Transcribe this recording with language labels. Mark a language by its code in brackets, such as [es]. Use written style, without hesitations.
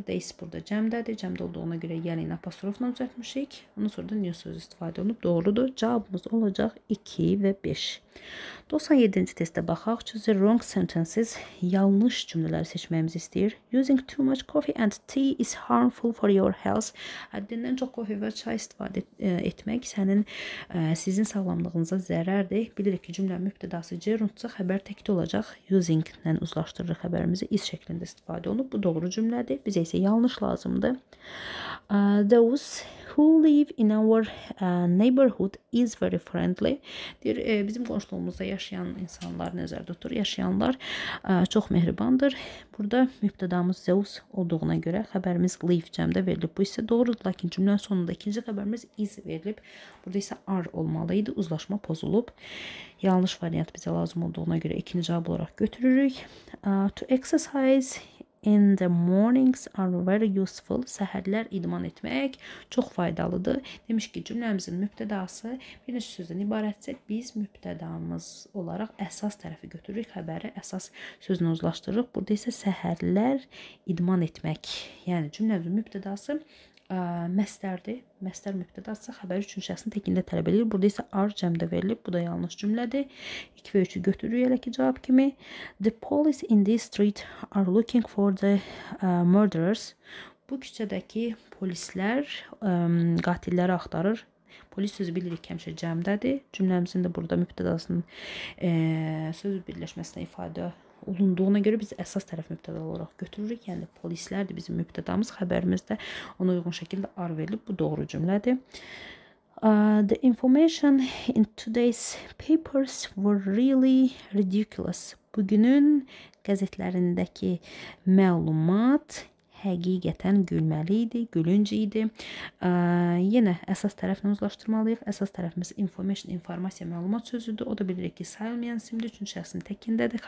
[az] Deis burada cəmdədir. Cəmdə olduğuna görə yəni apostrofla düzəltmişik. Ondan sonra da new sözü istifadə olunub. Doğrudur. Cavabımız olacaq 2 və 5. 97-ci testə baxaq. [en] Choose the wrong sentences. [az] Yanlış cümlələri seçməyimizi istəyir. [en] Using too much coffee and tea is harmful for your health. [az] Həddindən çox kofi və çay istifadə etmək sizin sağlamlığınıza zərərdir. Bilirik ki, cümlə mübtədası gerundsa xəbər təkdə olacaq. Using ilə uzlaşdırırıq xəbərimizi is şəklində istifadə olunub. Bu doğru cümlədir. Bizə isə yanlış lazımdır. [en] Those who live in our neighborhood is very friendly. [az] Deyir, bizim qonşuluğumuzda yaşayan insanlar, nəzərdə tutur, yaşayanlar çox mehribandır. Burada mübtədamız Zeus olduğuna görə xəbərimiz live cəmdə verilib. Bu isə doğrudur, lakin cümlənin sonunda ikinci xəbərimiz is verilib. Burada isə are olmalı idi, uzlaşma pozulub. Yanlış variant bizə lazım olduğuna görə ikinci cavab olaraq götürürük. [en] To exercise in the mornings are very useful. [az] Səhərlər idman etmək çox faydalıdır. Demiş ki, cümləmizin mübtədası bir neçə sözdən ibarətsə, biz mübtədamız olaraq əsas tərəfi götürürük, xəbəri əsas sözünü uzlaşdırırıq. Burada isə səhərlər idman etmək, yəni cümləmizin mübtədası məstərdir. Məstər mübtədası xəbər üçün şəxsin təkində tələb edilir. Burada isə ar cəmdə verilib. Bu da yanlış cümlədir. 2 və 3-ü götürürük elə ki cavab kimi. [en] The police in this street are looking for the murderers. [az] Bu küçədəki polislər qatilləri axtarır. Polis sözü bilirik ki, həmişə cəmdədir. Cümləmizin də burada mübtədasının söz birləşməsində ifadə olunduğuna görə biz əsas tərəf mübtəda olaraq götürürük. Yəni, polislərdir bizim mübtədamız, xəbərimizdə ona uyğun şəkildə ar verilib. Bu doğru cümlədir. [en] The information in today's papers were really ridiculous. [az] Bugünün qəzetlərindəki məlumat həqiqətən gülməli idi, gülünc idi. Yenə əsas tərəfini uzlaşdırmalıyıq. Əsas tərəfimiz information, informasiya, məlumat sözüdür. O da bilirik ki, sayılmayan simdir, çünki şəxsin təkindədir.